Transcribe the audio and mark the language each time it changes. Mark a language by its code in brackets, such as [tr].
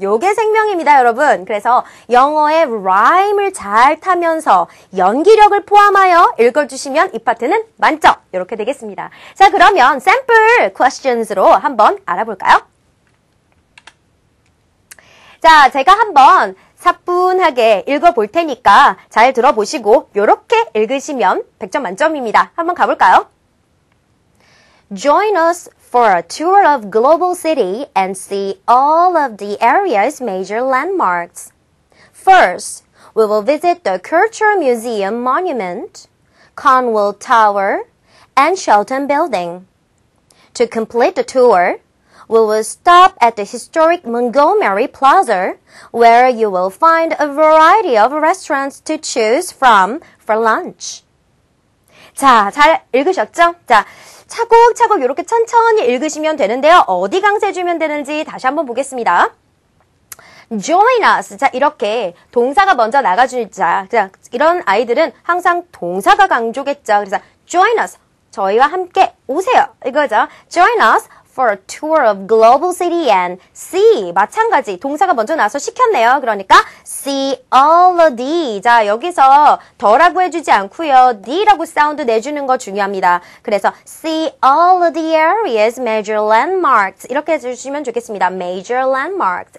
[ko] 요게 생명입니다, 여러분. 그래서 영어의 라임을 잘 타면서 연기력을 포함하여 읽어주시면 이 파트는 만점. 요렇게 되겠습니다. 자, 그러면 샘플 questions로 한번 알아볼까요? 자, 제가 한번 사뿐하게 읽어볼 테니까 잘 들어보시고 요렇게 읽으시면 100점 만점입니다. 한번 가볼까요? [en] Join us for a tour of Global City and see all of the area's major landmarks. First, we will visit the Cultural Museum Monument, Conwell Tower, and Shelton Building. To complete the tour, we will stop at the historic Montgomery Plaza, where you will find a variety of restaurants to choose from for lunch. [ko] 자, 잘 읽으셨죠? 자, 차곡차곡 이렇게 천천히 읽으시면 되는데요. 어디 강세주면 되는지 다시 한번 보겠습니다. [en] Join us. [ko] 자, 이렇게 동사가 먼저 나가주자. 자, 이런 아이들은 항상 동사가 강조겠죠. 그래서 [en] join us. [ko] 저희와 함께 오세요. 이거죠. [en] Join us. For a tour of global city and see. [ko] 마찬가지. 동사가 먼저 나와서 시켰네요. [en] 그러니까 see all of the. [ko] 자, 여기서 더라고 해주지 않고요. the라고 사운드 내주는 거 중요합니다. [en] 그래서 see all of the areas major landmarks. [ko] 이렇게 해주시면 좋겠습니다. [en] Major landmarks.